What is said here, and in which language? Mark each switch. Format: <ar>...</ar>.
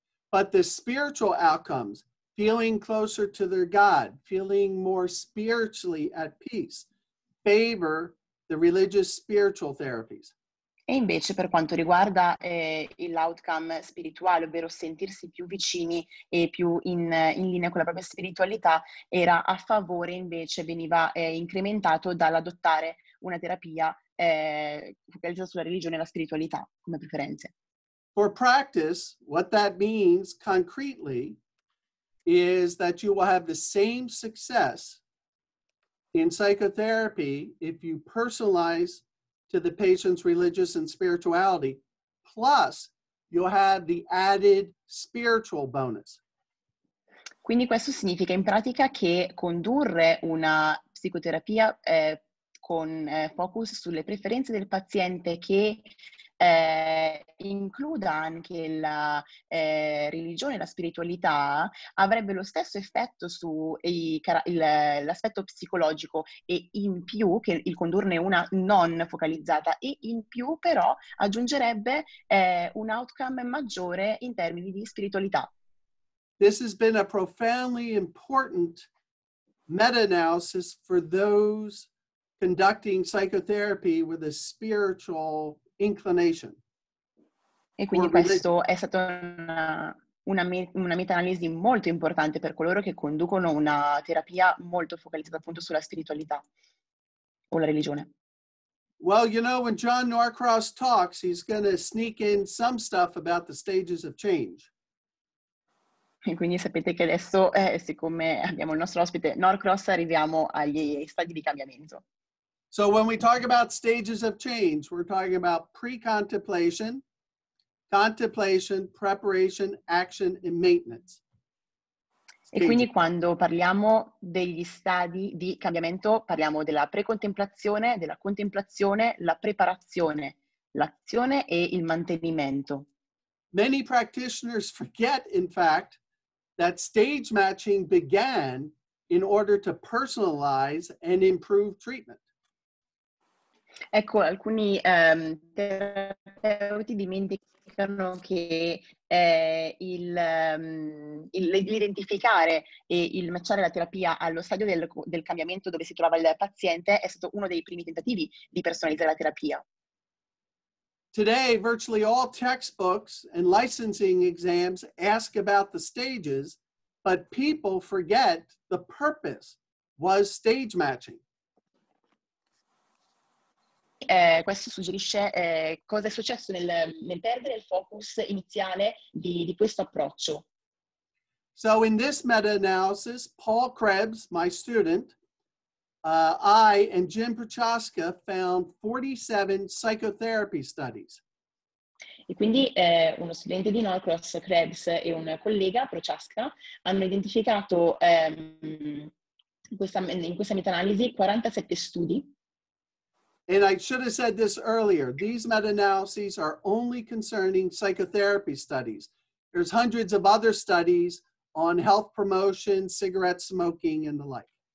<en>But the spiritual outcomes, feeling closer to their God, feeling more spiritually at peace, favor the religious spiritual therapies.</en> <it>E invece per quanto riguarda l'outcome spirituale, ovvero sentirsi più vicini e più in linea con la propria spiritualità, era a favore invece, veniva incrementato dall'adottare una terapia focalizzata sulla religione e la spiritualità come preferenze.</it> <en>For practice, what that means concretely is that you will have the same success in psychotherapy if you personalize to the patient's religious and spirituality, plus you'll have the added spiritual bonus.</en> <it>Quindi questo significa in pratica che condurre una psicoterapia con focus sulle preferenze del paziente che includa anche la religione, la spiritualità, avrebbe lo stesso effetto su l'aspetto psicologico e in più che il condurne una non focalizzata e in più però aggiungerebbe un outcome maggiore in termini di spiritualità.</it> <en>This has been a profoundly important meta-analysis for those conducting psychotherapy with a spiritual inclination.</en> <it>E quindi questo è stato una meta-analisi molto importante per coloro che conducono una terapia molto focalizzata appunto sulla spiritualità o la religione.</it> <en>Well, you know, when John Norcross talks, he's going to sneak in some stuff about the stages of change.</en> <it>E quindi sapete che adesso, siccome abbiamo il nostro ospite Norcross, arriviamo agli stadi di cambiamento.</it> <en>So when we talk about stages of change, we're talking about pre-contemplation, contemplation, preparation, action, and maintenance. Stages.</en> <it>E quindi quando parliamo degli stadi di cambiamento, parliamo della pre-contemplazione, della contemplazione, la preparazione, l'azione e il mantenimento.</it> <en>Many practitioners forget, in fact, that stage matching began in order to personalize and improve treatment.</en> <it>Ecco, alcuni terapeuti dimenticano che l'identificare e il matchare la terapia allo stadio del cambiamento dove si trova il paziente è stato uno dei primi tentativi di personalizzare la terapia.</it> <en>Today, virtually all textbooks and licensing exams ask about the stages, but people forget the purpose was stage matching.</en> <it>Questo suggerisce cosa è successo nel perdere il focus iniziale di questo approccio.</it> <en>So in this meta-analysis, Paul Krebs, my student, I and Jim Prochaska found 47 psychotherapy studies.</en> <it>E quindi uno studente di Norcross, Krebs, e un collega, Prochaska, hanno identificato in questa meta-analisi 47 studi.</it> <en>And I should have said this earlier, these meta-analyses are only concerning psychotherapy studies. There's hundreds of other studies on health promotion, cigarette smoking, and the like.</en>